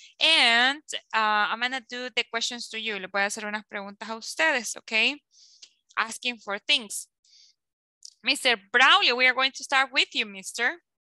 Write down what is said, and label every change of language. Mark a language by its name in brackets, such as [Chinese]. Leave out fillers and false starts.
[English] And I'm gonna do the questions to you. [Spanish] Le voy a hacer unas preguntas a ustedes, okay? [English] Asking for things. Mr. Braulio, we are going to start with you, mister.